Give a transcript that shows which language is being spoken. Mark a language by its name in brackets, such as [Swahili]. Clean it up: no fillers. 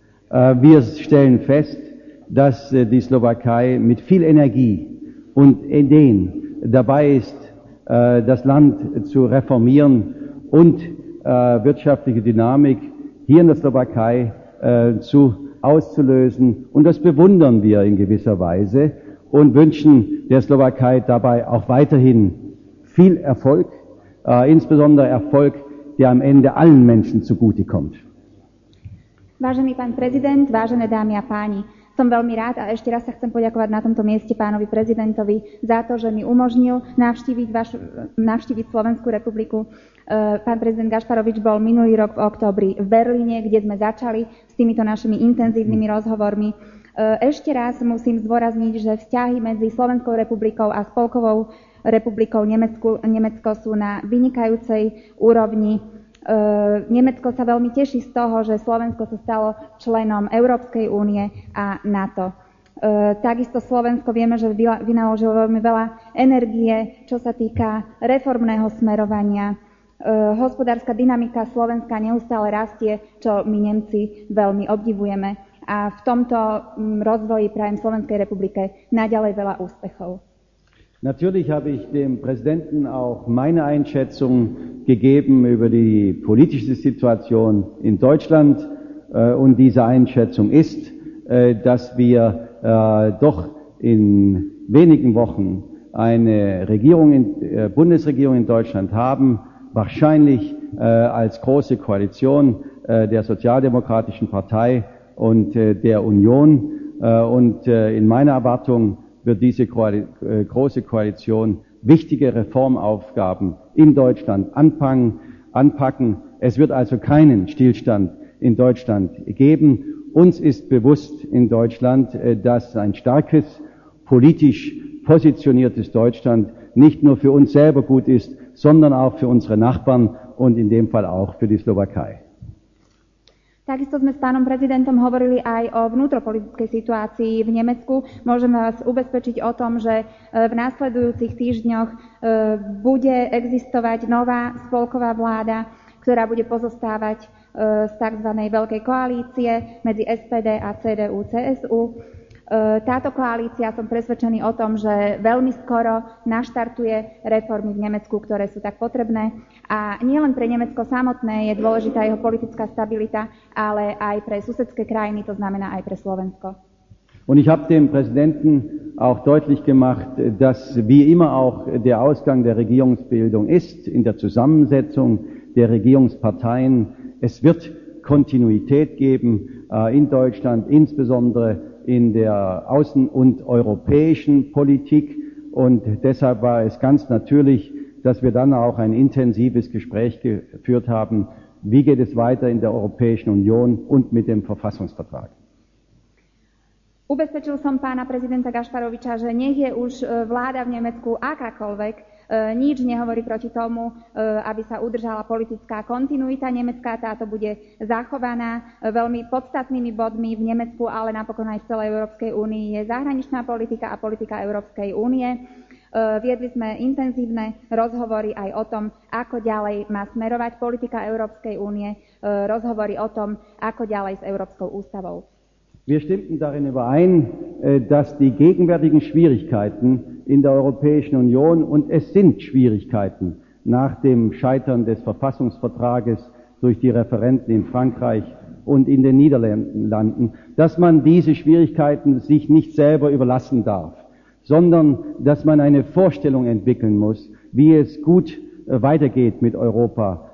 [German] Wir stellen fest, dass die Slowakei mit viel Energie und Ideen dabei ist, das Land zu reformieren und wirtschaftliche Dynamik hier in der Slowakei auszulösen. Und das bewundern wir in gewisser Weise und wünschen der Slowakei dabei auch weiterhin viel Erfolg, insbesondere Erfolg, der am Ende allen Menschen zugute kommt. [Slovak] Vážený pán prezident, vážené dámy a páni, som veľmi rád a ešte raz sa chcem poďakovať na tomto mieste pánovi prezidentovi za to, že mi umožnil navštíviť Slovenskú republiku. Pán prezident Gašparovič bol minulý rok v októbri v Berlíne, kde sme začali s týmito našimi intenzívnymi rozhovormi. Ešte raz musím zdôrazniť, že vzťahy medzi Slovenskou republikou a Spolkovou republikou Nemecko sú na vynikajúcej úrovni. Nemecko sa veľmi teší z toho, že Slovensko sa stalo členom Európskej únie a NATO. Takisto Slovensko vieme, že vynaložilo veľmi veľa energie, čo sa týka reformného smerovania. Hospodárska dynamika Slovenska neustále rastie, čo my Nemci veľmi obdivujeme. A v tomto rozvoji prajem Slovenskej republike naďalej veľa úspechov. [German] Natürlich habe ich dem Präsidenten auch meine Einschätzung gegeben über die politische Situation in Deutschland. Und diese Einschätzung ist, dass wir doch in wenigen Wochen eine Regierung, Bundesregierung in Deutschland haben, wahrscheinlich als große Koalition der Sozialdemokratischen Partei und der Union. Und in meiner Erwartung wird diese große Koalition wichtige Reformaufgaben in Deutschland anpacken. Es wird also keinen Stillstand in Deutschland geben. Uns ist bewusst in Deutschland, dass ein starkes, politisch positioniertes Deutschland nicht nur für uns selber gut ist, sondern auch für unsere Nachbarn und in dem Fall auch für die Slowakei. [Slovak] Takisto sme s pánom prezidentom hovorili aj o vnútropolitickej situácii v Nemecku. Môžeme vás ubezpečiť o tom, že v nasledujúcich týždňoch bude existovať nová spolková vláda, ktorá bude pozostávať z tzv. Veľkej koalície medzi SPD a CDU-CSU. Táto koalícia, som presvedčený o tom, že veľmi skoro naštartuje reformy v Nemecku, ktoré sú tak potrebné. A nielen pre Nemecko samotné je dôležitá jeho politická stabilita, ale aj pre susedské krajiny, to znamená aj pre Slovensko. [German] Und ich habe dem Präsidenten auch deutlich gemacht, dass wie immer auch der Ausgang der Regierungsbildung ist, in der Zusammensetzung der Regierungsparteien, es wird Kontinuität geben in Deutschland, insbesondere in der außen- und europäischen Politik. Und deshalb war es ganz natürlich, dass wir dann auch ein intensives Gespräch geführt haben, wie geht es weiter in der Europäischen Union und mit dem Verfassungsvertrag. [Slovak] Ubezpečil som pána prezidenta Gašparoviča, že nech je už vláda v Nemecku akákoľvek, nič nehovorí proti tomu, aby sa udržala politická kontinuita nemecká, táto bude zachovaná. Veľmi podstatnými bodmi v Nemecku, ale napokon aj v celej Európskej únii, je zahraničná politika a politika Európskej únie. Viedli sme intenzívne rozhovory aj o tom, ako ďalej má smerovať politika Európskej únie, rozhovory o tom, ako ďalej s Európskou ústavou. [German] Wir stimmten darin überein, dass die gegenwärtigen Schwierigkeiten in der Europäischen Union, und es sind Schwierigkeiten nach dem Scheitern des Verfassungsvertrages durch die Referenden in Frankreich und in den Niederlanden, dass man diese Schwierigkeiten sich nicht selber überlassen darf, sondern dass man eine Vorstellung entwickeln muss, wie es gut weitergeht mit Europa.